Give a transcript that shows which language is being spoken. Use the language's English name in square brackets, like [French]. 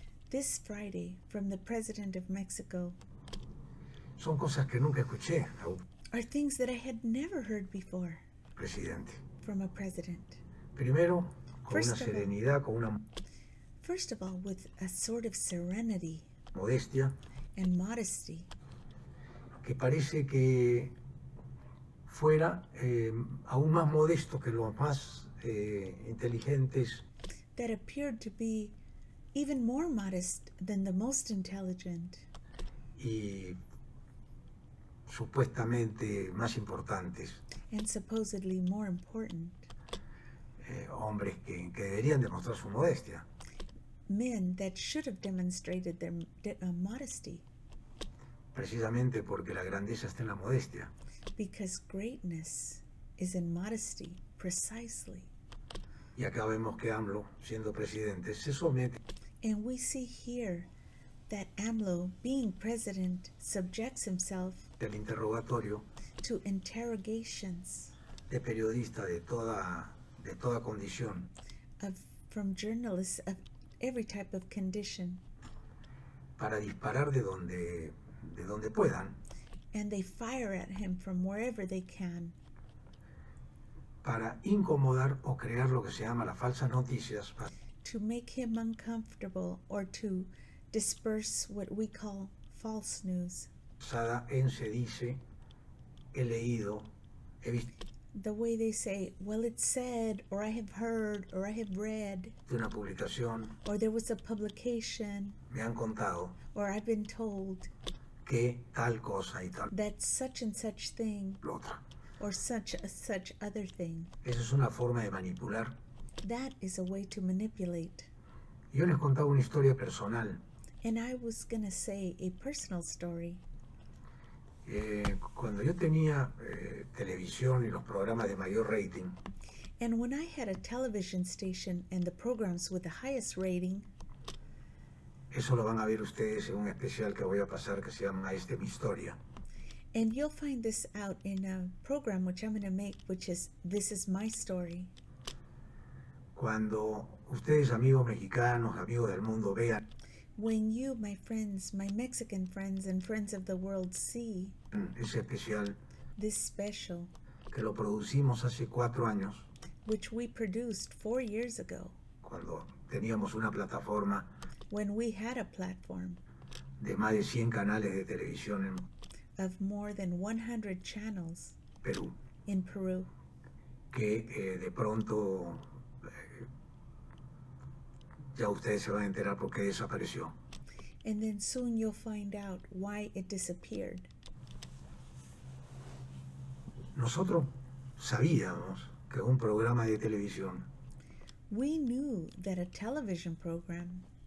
[English] this Friday from the president of Mexico, [Spanish] son cosas que nunca escuché, [English] are things that I had never heard before. [Spanish] Presidente. [English] From a president. [Spanish] Primero, con una serenidad, con una... [English] First of all, with a sort of serenity. [Spanish] Modestia. [English] And modesty. [Spanish] Que parece que fuera aún más modesto que los más inteligentes. [English] That appeared to be even more modest than the most intelligent. [Spanish] Y supuestamente más importantes. [English] And supposedly more important. [Spanish] Hombres que deberían demostrar su modestia. [English] Men that should have demonstrated their modesty. [Spanish] Precisamente porque la grandeza está en la modestia. [English] Because greatness is in modesty, precisely. [Spanish] Y acá vemos que AMLO, siendo presidente, se somete. [English] And we see here that AMLO, being president, subjects himself [Spanish] del interrogatorio [English] to interrogations [Spanish] de periodista de toda condición [English] of, from journalists of every type of condition [Spanish] para disparar de donde puedan. [English] And they fire at him from wherever they can [Spanish] para incomodar o crear lo que se llama las falsas noticias [English] to make him uncomfortable or to disperse what we call false news. [Spanish] Sada en se dice, he leído, he visto. [English] The way they say, well, it's said, or I have heard, or I have read. [Spanish] De una publicación. [English] Or there was a publication. [Spanish] Me han contado. [English] Or I've been told. [Spanish] Que tal cosa y tal. [English] That such and such thing. [Spanish] Otra. [English] Or such a such other thing. [Spanish] Esa es una forma de manipular. [English] That is a way to manipulate. [Spanish] Yo les contaba una historia personal. [English] And I was going to say a personal story. [Spanish] Cuando yo tenía televisión y los programas de mayor rating. [English] And when I had a television station and the programs with the highest rating. [Spanish] Eso lo van a ver ustedes en un especial que voy a pasar que se llama Este Mi Historia. [English] And you'll find this out in a program which I'm going to make, which is This Is My Story. [Spanish] Cuando ustedes, amigos mexicanos, amigos del mundo, vean. [English] When you, my friends, my Mexican friends and friends of the world see [Spanish] especial, [English] this special [Spanish] que lo producimos hace 4 años, [English] which we produced 4 years ago [Spanish] cuando teníamos una plataforma, [English] when we had a platform [Spanish] de más de 100 canales de televisión en, [English] of more than 100 channels [Spanish] Perú, [English] in Peru [Spanish] que de pronto ya ustedes se van a enterar por qué desapareció. [English] And then soon you'll find out why it disappeared. [Spanish] Nosotros sabíamos que un programa de televisión. [English] We knew that a television program